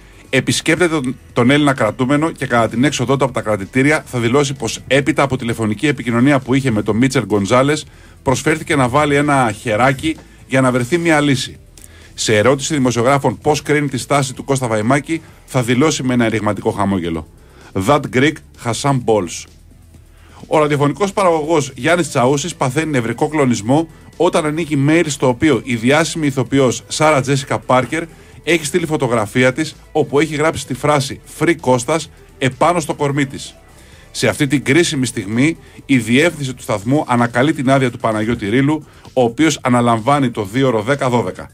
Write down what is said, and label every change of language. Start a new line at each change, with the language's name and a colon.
Greek: Επισκέπτεται τον Έλληνα κρατούμενο και κατά την έξοδό του από τα κρατητήρια θα δηλώσει πως έπειτα από τηλεφωνική επικοινωνία που είχε με τον Μίτσελ Γκονζάλες προσφέρθηκε να βάλει ένα χεράκι για να βρεθεί μια λύση. Σε ερώτηση δημοσιογράφων πώς κρίνει τη στάση του Κώστα Βαϊμάκη, θα δηλώσει με ένα ρηγματικό χαμόγελο.
English: That Greek has some balls.
Greek: Ο ραδιοφωνικός παραγωγός Γιάννης Τσαούσης παθαίνει νευρικό κλονισμό όταν ανοίγει mail στο οποίο η διάσημη ηθοποιός Σάρα Τζέσικα Πάρκερ έχει στείλει φωτογραφία της όπου έχει γράψει τη φράση Free Kostas επάνω στο κορμί της. Σε αυτή την κρίσιμη στιγμή, η διεύθυνση του σταθμού ανακαλεί την άδεια του Παναγιώτη Ρήλου, ο οποίος αναλαμβάνει το 2:10-12.